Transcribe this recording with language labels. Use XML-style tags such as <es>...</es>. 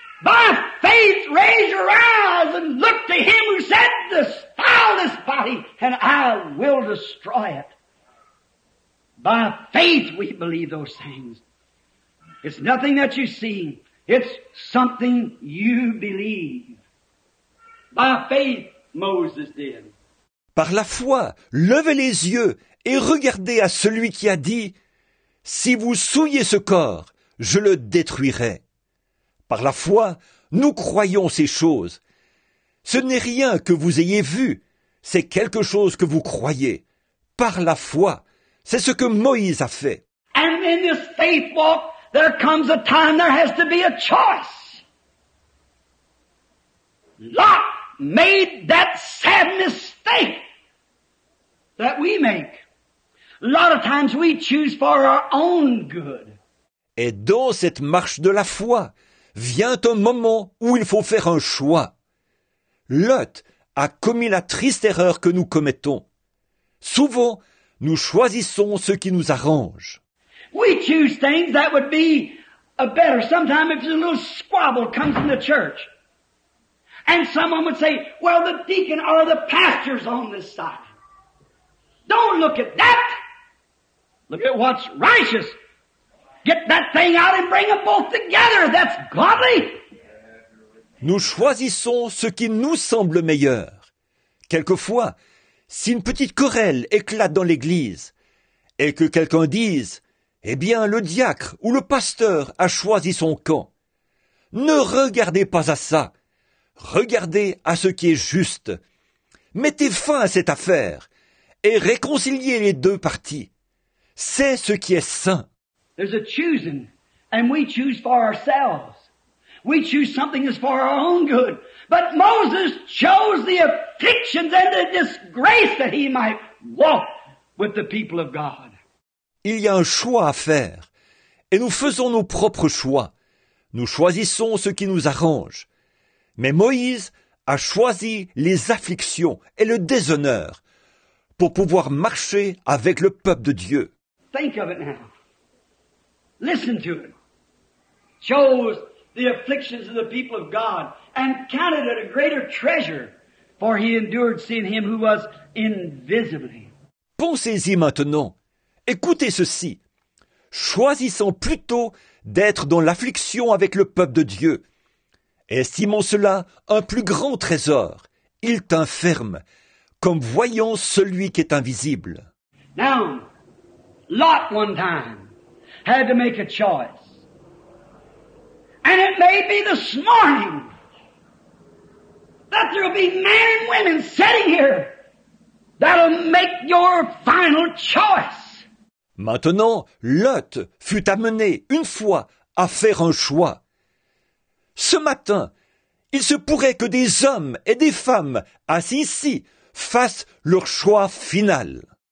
<en>By faith, raise your eyes and look to him who said, "Defile this body, and I will destroy it." By faith, we believe those things. It's nothing that you see. It's something you believe. By faith, Moses did.</en> <fr>Par la foi, levez les yeux et regardez à celui qui a dit, « Si vous souillez ce corps, je le détruirai. » Par la foi, nous croyons ces choses. Ce n'est rien que vous ayez vu, c'est quelque chose que vous croyez. Par la foi, c'est ce que Moïse a fait.</fr> <en>And in this faith walk, there comes a time there has to be a choice. Lot made that sad mistake that we make. A lot of times we choose for our own good.</en> <fr>Et dans cette marche de la foi, vient un moment où il faut faire un choix. Lot a commis la triste erreur que nous commettons. Souvent, nous choisissons ce qui nous arrange.</fr> <en>We choose things that would be a better. Sometimes if a little squabble comes in the church, and someone would say, well, the deacon or the pastor's on this side. Don't look at that. Look at what's righteous. Get that thing out and bring them both together. That's godly.</en> <fr>Nous choisissons ce qui nous semble meilleur. Quelquefois, si une petite querelle éclate dans l'église et que quelqu'un dise, « Eh bien, le diacre ou le pasteur a choisi son camp. » Ne regardez pas à ça. Regardez à ce qui est juste. Mettez fin à cette affaire et réconciliez les deux parties. C'est ce qui est saint.</fr> <en>There's a choosing, and we choose for ourselves. We choose something that's for our own good. But Moses chose the afflictions and the disgrace that he might walk with the people of God.</en> <fr>Il y a un choix à faire, et nous faisons nos propres choix. Nous choisissons ce qui nous arrange. Mais Moïse a choisi les afflictions et le déshonneur pour pouvoir marcher avec le peuple de Dieu.</fr> <en>Think of it now. Listen to it. Chose the afflictions of the people of God and counted it a greater treasure, for he endured seeing him who was invisibly.</en> <fr>Pensez-y maintenant. Écoutez ceci. Choisissant plutôt d'être dans l'affliction avec le peuple de Dieu, estimant cela un plus grand trésor, il tint ferme, comme voyant celui qui est invisible.</fr> <en>Now, Lot one time had to make a choice. And it may be this morning that there will be men and women sitting here that'll make your final choice.</en> <fr>Maintenant, Lot fut amené une fois à faire un choix. Ce matin, il se pourrait que des hommes et des femmes assis ici fassent leur choix final.</fr>